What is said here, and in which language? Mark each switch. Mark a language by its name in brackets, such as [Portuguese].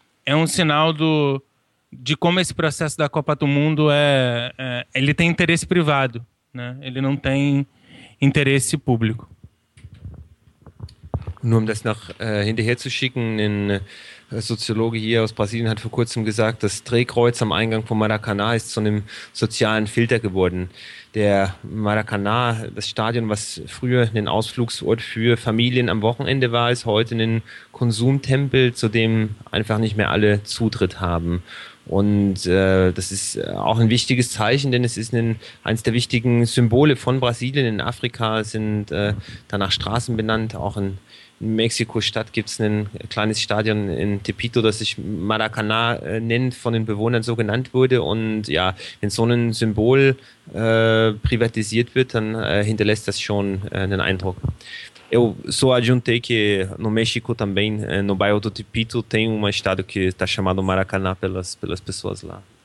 [Portuguese] é um sinal do, de como esse processo da Copa do Mundo é, ele tem interesse privado, né? Ele não tem interesse público. [German] Nur um das nach hinterher zu schicken, ein Soziologe hier aus Brasilien hat vor kurzem gesagt, das Drehkreuz am Eingang von Maracanã ist zu einem sozialen Filter geworden. Der Maracanã, das Stadion, was früher ein Ausflugsort für Familien am Wochenende war, ist heute ein Konsumtempel, zu dem einfach nicht mehr alle Zutritt haben. Und das ist auch ein wichtiges Zeichen, denn es ist eines der wichtigen Symbole von Brasilien in Afrika, sind danach Straßen benannt, auch in Mexiko-Stadt gibt es ein kleines Stadion in Tepito, das sich Maracanã nennt, von den Bewohnern so genannt wurde. Und ja, wenn so ein Symbol privatisiert wird, dann hinterlässt das schon einen Eindruck. [Portuguese] Eu só adiantei que no México também, no bairro do Tepito, tem um estádio que está chamado Maracanã pelas pessoas lá.